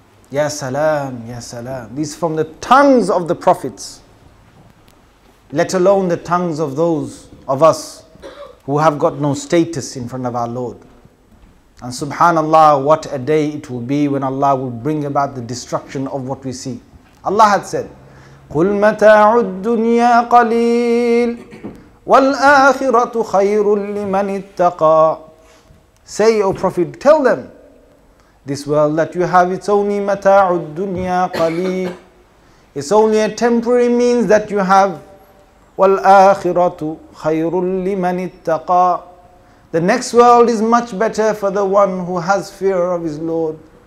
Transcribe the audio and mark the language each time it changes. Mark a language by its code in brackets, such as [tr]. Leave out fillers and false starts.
[ar] Ya salam, ya salam. [en] These from the tongues of the prophets, let alone the tongues of those of us who have got no status in front of our Lord. And subhanallah, what a day it will be when Allah will bring about the destruction of what we see. Allah had said, [ar] قُلْ مَتَاعُ الدُّنْيَا قَلِيلٌ وَالْآخِرَةُ خَيْرٌ لِّمَنِ اتَّقَى. [en] Say, O Prophet, tell them, this world that you have, it's only [ar] مَتَاعُ الدُّنْيَا قَلِيلٌ, [en] it's only a temporary means that you have. [ar] وَالْآخِرَةُ خَيْرٌ لِّمَنِ اتَّقَى. [en] The next world is much better for the one who has fear of his Lord.